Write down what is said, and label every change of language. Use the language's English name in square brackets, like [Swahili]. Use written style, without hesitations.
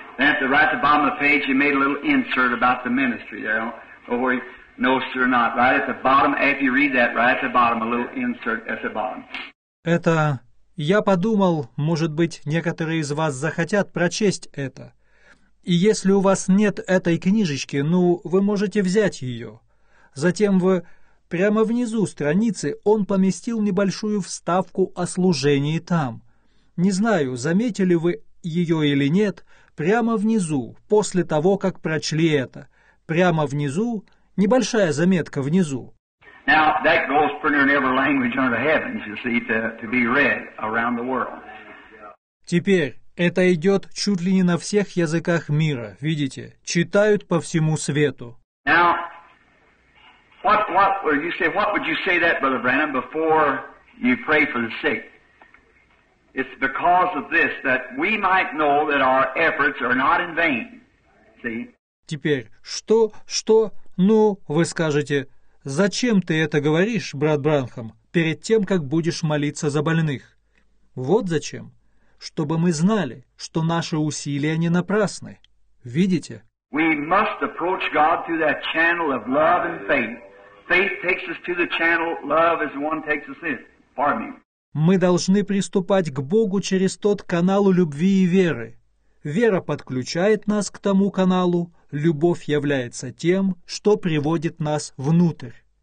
[English] Then at the right at the bottom of the page, you made a little insert about the ministry. You know, where you, no, sir, not. Right at the bottom, if you read that, right at the bottom, a little insert at the bottom. [Russian] Это... Я подумал, может быть, некоторые из вас захотят прочесть это. И если у вас нет этой книжечки, ну, вы можете взять ее. Затем в... прямо внизу страницы он поместил небольшую вставку о служении там. Не знаю, заметили вы ее или нет, прямо внизу, после того, как прочли это. Прямо внизу, небольшая заметка внизу. [English] Now, that goes pretty near in every language under the heavens, you see, to be read around the world. [Russian] Теперь это идет чуть ли не на всех языках мира, видите? Читают по всему свету. [English] Now, what would you say that, Brother Branham, before you pray for the sick? It's because of this, that we might know that our efforts are not in vain, see? [Russian] Теперь, что, ну, вы скажете... Зачем ты это говоришь, брат Бранхам, перед тем, как будешь молиться за больных? Вот зачем. Чтобы мы знали, что наши усилия не напрасны. Видите? [English] We must approach God through that channel of love and faith. Faith takes us to the channel, love is the one takes us in. Pardon me. [Russian] Мы должны приступать к Богу через тот канал любви и веры. Вера подключает нас к тому каналу, любовь является тем, что приводит нас внутрь.